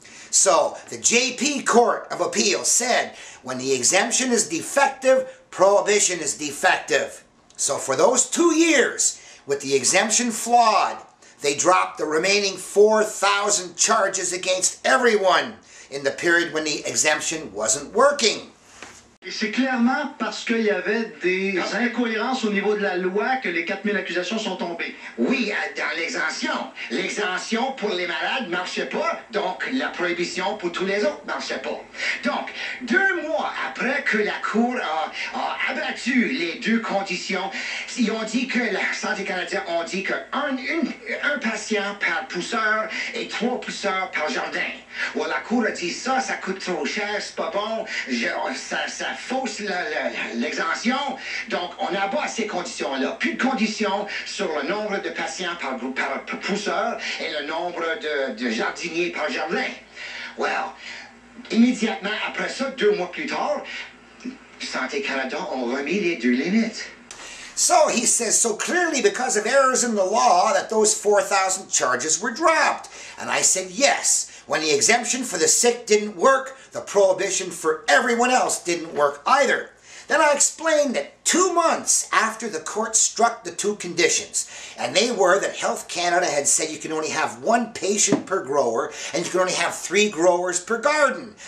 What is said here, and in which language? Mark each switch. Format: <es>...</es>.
<en>So the JP Court of Appeal said, when the exemption is defective, prohibition is defective. So for those 2 years, with the exemption flawed, they dropped the remaining 4,000 charges against everyone in the period when the exemption wasn't working.</en> <fr>Et c'est clairement parce qu'il y avait des incohérences au niveau de la loi que les 4000 accusations sont tombées. Oui, dans l'exemption. L'exemption pour les malades ne marchait pas, donc la prohibition pour tous les autres ne marchait pas. Donc, deux mois après que la Cour a abattu les deux conditions, ils ont dit que la Santé canadienne a dit qu'un patient par pousseur et trois pousseurs par jardin. Well, la Cour a dit ça, ça coûte trop cher, c'est pas bon, ça fausse l'exemption. Donc, on abat ces conditions-là. Plus de conditions sur le nombre de patients par pousseur et le nombre de jardiniers par jardin. Well, immédiatement après ça, deux mois plus tard, Santé Canada ont remis les deux limites.</fr> <en>So, he says, so clearly because of errors in the law that those 4,000 charges were dropped. And I said, yes, when the exemption for the sick didn't work, the prohibition for everyone else didn't work either. Then I explained that 2 months after the court struck the two conditions, and they were that Health Canada had said you can only have one patient per grower, and you can only have three growers per garden.</en>